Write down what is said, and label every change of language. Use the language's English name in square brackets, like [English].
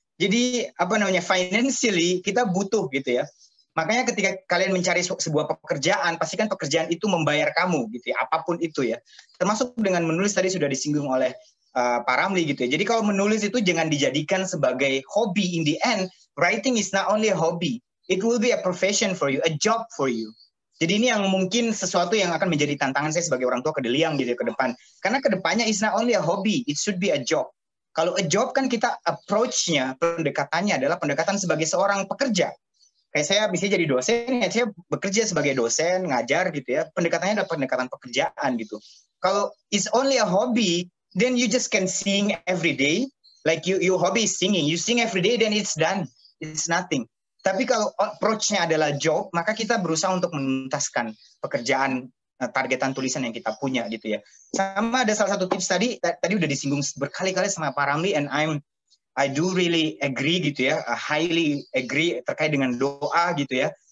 [Indonesian] Jadi apa namanya, financially kita butuh gitu ya. Makanya ketika kalian mencari sebuah pekerjaan, pastikan pekerjaan itu membayar kamu gitu ya, apapun itu ya. Termasuk dengan menulis tadi sudah disinggung oleh Pak Ramli gitu ya. Jadi kalau menulis itu jangan dijadikan sebagai hobi. [English] In the end, writing is not only a hobby. It will be a profession for you, a job for you. [Indonesian] Jadi ini yang mungkin sesuatu yang akan menjadi tantangan saya sebagai orang tua ke Deliang gitu ke depan. Karena kedepannya [English] it's not only a hobby, it should be a job. [Indonesian] Kalau [English] a job [Indonesian] kan kita approach-nya, pendekatannya adalah pendekatan sebagai seorang pekerja. Kayak saya bisa jadi dosen, ya saya bekerja sebagai dosen, ngajar gitu ya. Pendekatannya adalah pendekatan pekerjaan gitu. Kalau [English] it's only a hobby, then you just can sing every day. Like your hobby is singing. You sing every day, then it's done. It's nothing. [Indonesian] Tapi kalau approach-nya adalah job, maka kita berusaha untuk menuntaskan pekerjaan, targetan tulisan yang kita punya gitu ya. Sama ada salah satu tips tadi udah disinggung berkali-kali sama Pak Ramli, [English] and I'm I do really agree [Indonesian] gitu ya, [English] highly agree [Indonesian] terkait dengan doa gitu ya.